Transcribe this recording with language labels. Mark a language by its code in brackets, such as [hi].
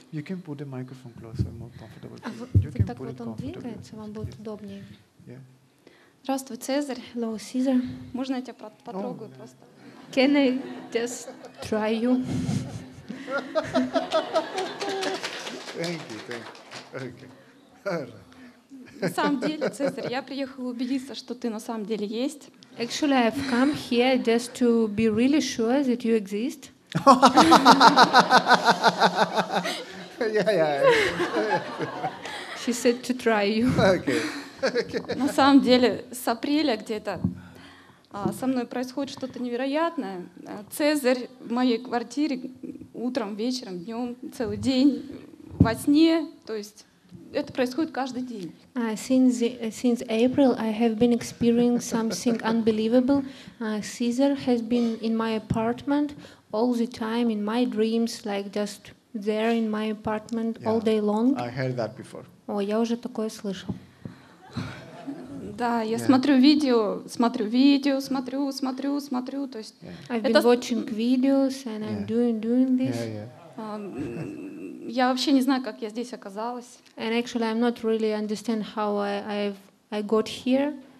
[en] You can put the microphone closer, more comfortable. [ru] Вот так вот он двигается, вам будет удобнее. Здравствуй, Цезарь. [en] Hello, Caesar. [ru] Можно я тебя потрогаю просто? [en] Can I just try you? Thank you, thank you. Okay. [ru] На самом деле, Цезарь, я приехала убедиться, что ты на самом деле есть. [en] Actually, I've come here just to be really sure that you exist. Yeah. She said to try you. Okay. [ru] На самом деле, с апреля где-то со мной происходит что-то невероятное. Цезарь в моей квартире утром, вечером, днем, целый день во сне. То есть это происходит каждый день. [en] Since April, I have been experiencing something unbelievable. Caesar has been in my apartment all the time in my dreams, like just there in my apartment all day long. I heard that before. [ru] О, я уже такое слышал. Да, я смотрю видео, то есть. [en] I've been watching videos and I'm doing this. Yeah, yeah. [ru] Я вообще не знаю, как я здесь оказалась. [en] And actually, I'm not really understand how I got here.